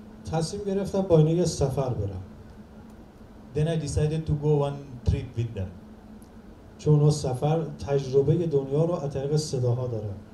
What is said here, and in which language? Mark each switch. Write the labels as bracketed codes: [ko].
[fa] تصمیم گرفتم با اینا یه سفر برم. [en] Then I decided to go one trip with them. [fa] چون اون سفر تجربه دنیا رو از طریق صداها داره.